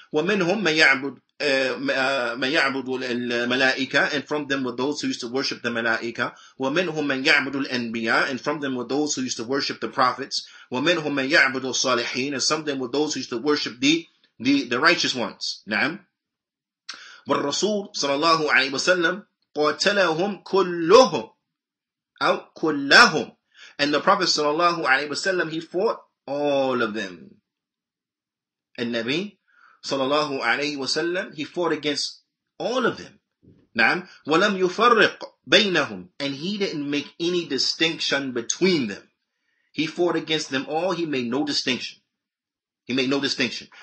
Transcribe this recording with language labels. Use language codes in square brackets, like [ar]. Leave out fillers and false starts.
[ar] وَمِنْهُمْ مَنْ يَعْبُدُ الْمَلَائِكَ, [en] and from them were those who used to worship the Malaika. [ar] وَمِنْهُمْ مَنْ يَعْبُدُ الْأَنْبِيَا, [en] and from them were those who used to worship the prophets. [ar] وَمِنْهُمْ مَنْ يَعْبُدُ الصَّالِحِينَ, [en] and some of them were those who used to worship the righteous ones. [ar] نعم. والرسول صلى الله عليه وسلم قَتَلَهُمْ كُلُّهُمْ أو كُلَّهُمْ, [en] and the Prophet صلى الله عليه وسلم, he fought all of them. النبي sallallahu alayhi wa sallam, he fought against all of them. Naam. [ar] وَلَمْ يُفَرِّقْ بَيْنَهُمْ, [en] and he didn't make any distinction between them. He fought against them all. He made no distinction. He made no distinction.